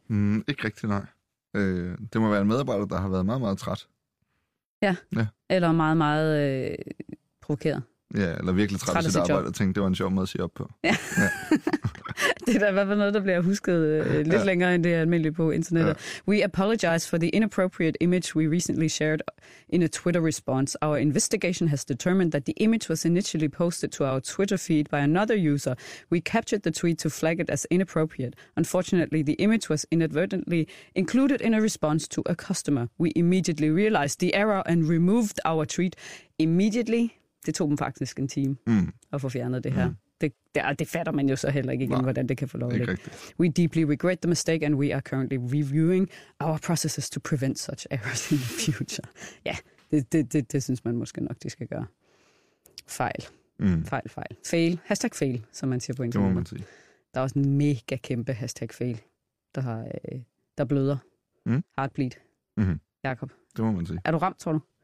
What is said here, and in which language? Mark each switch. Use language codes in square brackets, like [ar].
[da] Mm, ikke rigtig, nej. Det må være en medarbejder, der har været meget, meget træt. Ja, ja. Eller meget, meget provokeret. Ja, eller virkelig træt af sit arbejde og tænkte, det var en sjov måde at sige op på. Ja. Det er da i hvert fald noget, der bliver husket lidt længere, end det er almindeligt på internettet. Ja. [en] We apologize for the inappropriate image we recently shared in a Twitter response. Our investigation has determined that the image was initially posted to our Twitter feed by another user. We captured the tweet to flag it as inappropriate. Unfortunately, the image was inadvertently included in a response to a customer. We immediately realized the error and removed our tweet immediately. [da] Det tog dem faktisk en time at få fjernet det her. Det fatter man jo så heller ikke igen, nej, hvordan det kan få lov til. [en] We deeply regret the mistake, and we are currently reviewing our processes to prevent such errors in the future. [da] Ja, det synes man måske nok, de skal gøre. Fejl. Mm. Fejl, fejl. Fail. Hashtag fail, som man siger på internet. Det må man sige. Der er også en mega kæmpe hashtag fail, der bløder. Mm. [en] Heartbleed. Mm-hmm. [da] Jakob. Det må man sige. Er du ramt, tror du?